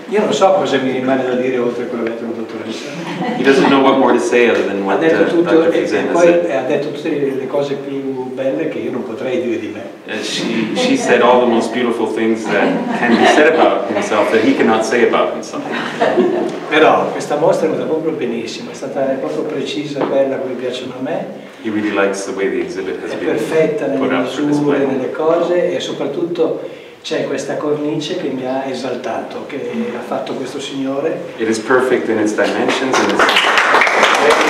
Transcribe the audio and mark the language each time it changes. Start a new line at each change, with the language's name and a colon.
Italian: Io non so cosa mi rimane da dire oltre a quello che ha detto la dottoressa.
English: He doesn't know what more to say other than what Dr. Frisenna said.
Italian: Ha detto tutte le cose più belle che io non potrei dire di me.
English: She said all the most beautiful things that can be said about himself that he cannot say about himself.
Italian: Però questa mostra è stata proprio benissima, è stata proprio precisa, bella, come piacciono a me.
English: He really likes the way the exhibit has been
Italian: perfetta nelle misure, nelle cose, e soprattutto c'è questa cornice che mi ha esaltato, che ha fatto questo signore.
English: It is perfect in its dimensions and its.